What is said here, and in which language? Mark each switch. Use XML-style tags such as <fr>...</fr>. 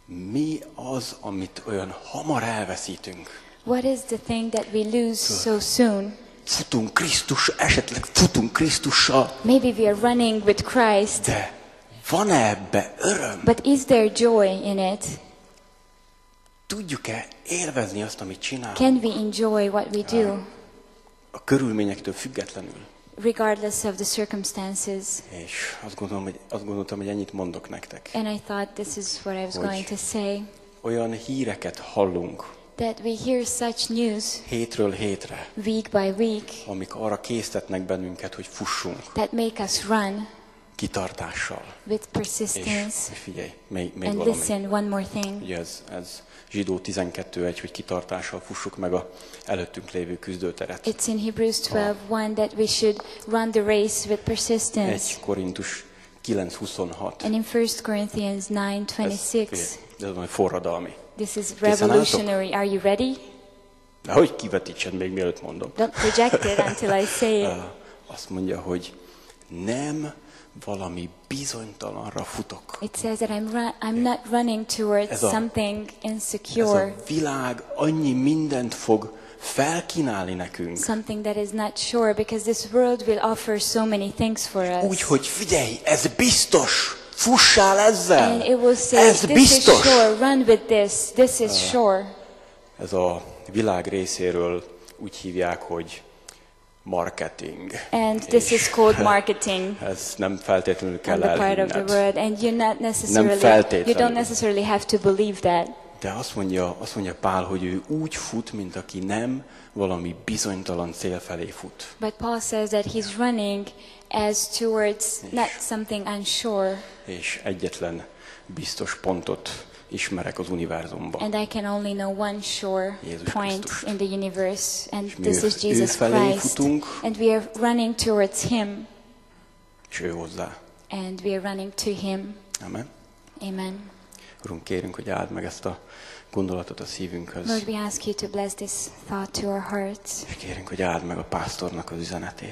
<hu>Mi az, amit olyan hamar elveszítünk?</hu> <en>What is the thing that we lose so soon?</en> <hu>Futunk Krisztus, esetleg futunk Krisztussal.</hu> <en>Maybe we are running with Christ.</en> <hu>De van-e ebbe öröm?</hu> <en>But is there joy in it?</en> <hu>Tudjuk-e élvezni azt, amit csinálunk?</hu> <en>Can we enjoy what we do?</en> <hu>A körülményektől függetlenül.</hu> <en>Regardless of the circumstances.</en> <hu>És azt gondoltam, hogy ennyit mondok nektek.</hu> <en>And I thought this is what I was going to say.</en> <hu>Olyan híreket hallunk.</hu> <en>That we hear such news.</en> <hu>Hétről hétre.</hu> <en>Week by week.</en> <hu>Amik arra késztetnek bennünket, hogy fussunk.</hu> <en>That make us run.</en> <hu>Kitartással.</hu> <en>With persistence.</en> <hu>És figyelj, még</hu> <en>and</en> <hu>valami.</hu> <en>And listen, one more thing.</en> <hu>Ez Zsidó 12:1, hogy kitartással fussuk meg a előttünk lévő küzdőteret.</hu> <en>It's in Hebrews 12:1 that we should run the race with persistence.</en> <hu>1 Korintus 9:26.</hu> <en>And in 1 Corinthians 9:26.</en> <hu>Ez nagy forradalmi.</hu> <en>This is revolutionary. Are you ready?</en> <hu>Na, hogy kivetítsen még mielőtt mondom.</hu> <en>Don't project it until I say it.</en> <hu>Azt mondja, hogy nem valami bizonytalanra futok.</hu> <en>It says that I'm not running towards something insecure.</en> <hu>Ez a világ annyi mindent fog felkínálni nekünk.</hu> <en>Something that is not sure, because this world will offer so many things for us.</en> <hu>Úgyhogy figyelj, ez biztos. Fussál ezzel.</hu> <en>And it will say,</en> <hu>ez biztos.</hu> <en>This is sure. Run with this. This is sure.</en> <hu>Ez a világ részéről úgy hívják, hogy marketing.</hu> <en>And this is called marketing.</en> <hu>Ez nem feltétlenül kell elhinned.</hu> <en>And the part of the word. And you're not necessarily, you don't necessarily have to believe that. De azt mondja Pál, hogy ő úgy fut, mint aki nem valami bizonytalan cél felé fut. But Paul says that he's running as towards not something unsure. És egyetlen biztos pontot ismerek az univerzumban. And I can only know one sure point in the universe, and this is Jesus Christ. And we are running towards him.</en> <hu>És ő hozzá.</hu> <en>And we are running to him. Amen. Amen.</en> <hu>Urom, kérünk, hogy áld meg ezt a gondolatot a szívünkhöz.</hu> <en>Lord, we ask you to bless this thought to our hearts.</en> <hu>És kérünk, hogy áld meg a pásztornak az üzenetét.</hu>